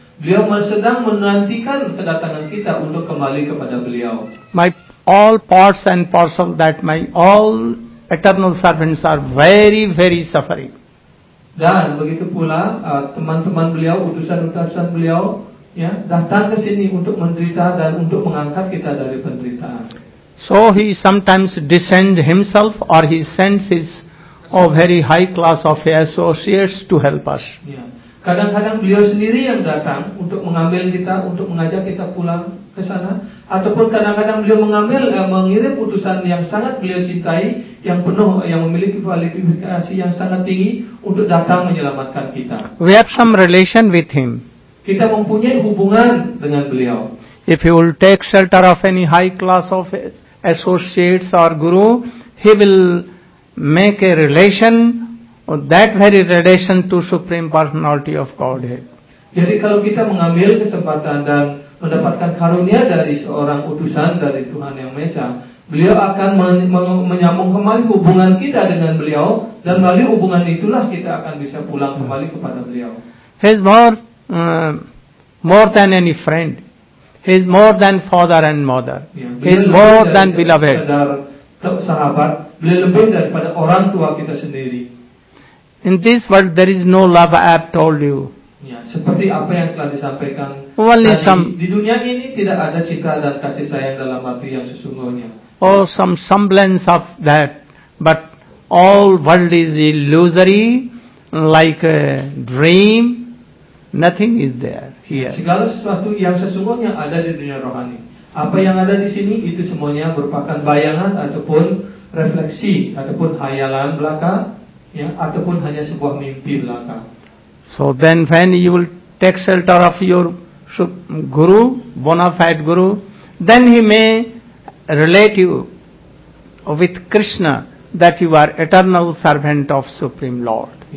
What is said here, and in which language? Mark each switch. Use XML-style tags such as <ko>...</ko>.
<id>Beliau sedang menantikan kedatangan kita untuk kembali kepada beliau.</id> <en>My all parts and parcel that my all eternal servants are very, very suffering.</en> <id>Dan begitu pula teman-teman beliau, utusan-utusan beliau, ya, datang ke sini untuk menderita dan untuk mengangkat kita dari penderitaan.</id> <en>So he sometimes descends himself or he sends his very high class of associates to help us.</en> <id>Ya. Kadang-kadang beliau sendiri yang datang untuk mengambil kita, untuk mengajak kita pulang ke sana, ataupun kadang-kadang beliau mengirim utusan yang sangat beliau cintai, yang penuh, yang memiliki kualifikasi yang sangat tinggi untuk datang menyelamatkan kita.</id> <en>We have some relation with him.</en> <id>Kita mempunyai hubungan dengan beliau.</id> <en>If he will take shelter of any high class of associates or guru, he will make a relation, that very relation to Supreme Personality of Godhead.</en> <id>Jadi kalau kita mengambil kesempatan dan mendapatkan karunia dari seorang utusan dari Tuhan Yang Maha Esa, beliau akan menyambung kembali hubungan kita dengan beliau, dan melalui hubungan itulah kita akan bisa pulang kembali kepada beliau.</id> <en>He is more than any friend. He is more than father and mother. Yeah, he is more than beloved.</en> <id>Sahabat, beliau lebih daripada orang tua kita sendiri.</id> <en>In this world there is no love, I have told you.</en> <id>Ya, seperti apa yang telah disampaikan.</id> <en>Only</en> <id>tadi,</id> <en>some,</en> <id>di dunia ini tidak ada cinta dan kasih sayang dalam arti yang sesungguhnya.</id> <en>Oh, some semblance of that, but all world is illusory, like a dream. Nothing is there here. Ya,</en> <id>segala sesuatu yang sesungguhnya ada di dunia rohani. Apa yang ada di sini itu semuanya merupakan bayangan ataupun refleksi ataupun khayalan belaka, ya, ataupun hanya sebuah mimpi belaka.</id> <en>So then when you will take shelter of your guru, bona fide guru, then he may relate you with Krishna that you are eternal servant of Supreme Lord.</en>